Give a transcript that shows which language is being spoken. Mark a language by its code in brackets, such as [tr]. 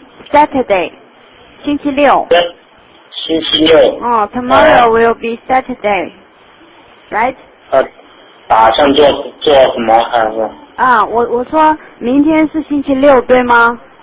[en] Saturday, 星期六。 [zh] 星期六。 [en] Tomorrow will be Saturday, right? [zh] 打算做什么孩子？我说明天是星期六对吗？